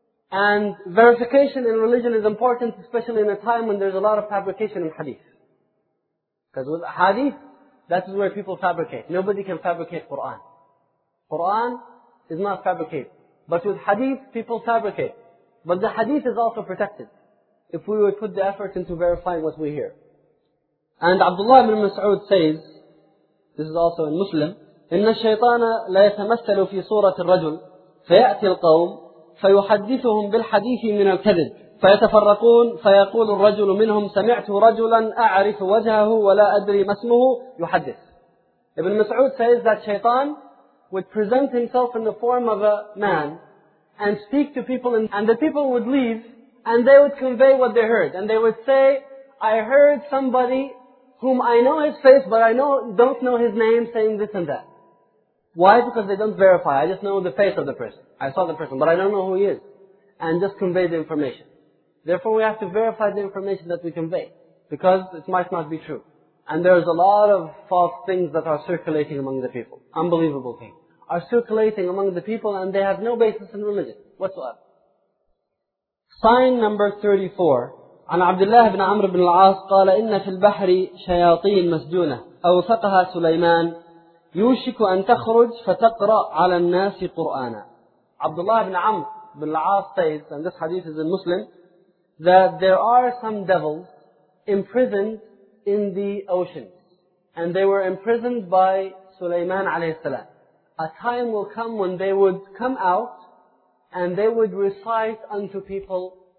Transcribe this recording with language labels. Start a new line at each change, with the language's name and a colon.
English: And verification in religion is important, especially in a time when there's a lot of fabrication in hadith. Because with hadith, that is where people fabricate. Nobody can fabricate Quran. Quran is not fabricated. But with hadith, people fabricate. But the hadith is also protected. If we would put the effort into verifying what we hear. And Abdullah ibn Mas'ud says, this is also in Muslim,
Arabic: إِنَّ الشَّيْطَانَ لَا يَتَمَثَّلُ فِي صُورَةِ الرَّجُلِ فَيَأْتِي الْقَوْمِ فَيُحَدِّثُهُمْ بِالْحَدِيثِ مِنَ الْكَذِبِ فَيَتَفَرَّقُونَ فَيَقُولُ الرَّجُلُ مِنْهُمْ سَمِعْتُ رَجُلًا أَعْرِفُ وَجْهَهُ وَلَا أَدْرِي مَا اسْمُهُ يُحَدِّثُ.
English: Ibn Mas'ud says that Shaytan would present himself in the form of a man and speak to people and the people would leave and they would convey what they heard. And they would say, I heard somebody whom I know his face but I don't know his name saying this and that. Why? Because they don't verify. I just know the face of the person. I saw the person, but I don't know who he is. And just convey the information. Therefore, we have to verify the information that we convey. Because it might not be true. And there's a lot of false things that are circulating among the people. Unbelievable things. Are circulating among the people and they have no basis in religion whatsoever. Sign number 34.
Arabic: عن عبد الله بن عمرو بن العاص قال إن في البحر شياطين مسجونة أوثقها سليمان يوشك أن تخرج فتقرأ على الناس قرآنا.
English: Abdullah ibn Amr ibn al-As says, and this hadith is in Muslim, that there are some devils imprisoned in the oceans. And they were imprisoned by Sulaiman alayhi salam. A time will come when they would come out and they would recite unto people.